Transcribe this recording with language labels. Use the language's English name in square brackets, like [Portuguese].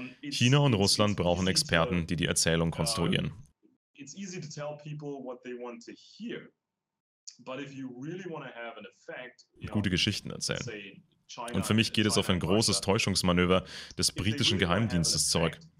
[German] China und Russland brauchen Experten, die die Erzählung konstruieren. [English] It's easy to tell people what they want to hear, but if you really want to have an effect, [German] gute Geschichten erzählen. Und für mich geht es auf ein großes Täuschungsmanöver des britischen Geheimdienstes zurück.